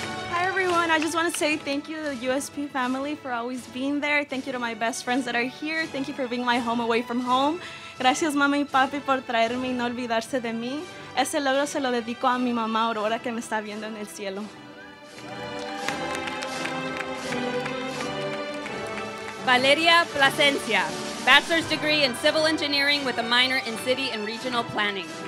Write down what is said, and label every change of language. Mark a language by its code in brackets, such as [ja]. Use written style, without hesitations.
[en] Hi everyone, I just want to say thank you to the USP family for always being there. Thank you to my best friends that are here. Thank you for being my home away from home. [es] Gracias mami y papi por traerme y no olvidarse de mí. Ese logro se lo dedico a mi mamá Aurora que me está viendo en el cielo. [en] Valeria Plasencia, Bachelor's degree in Civil Engineering with a minor in City and Regional Planning.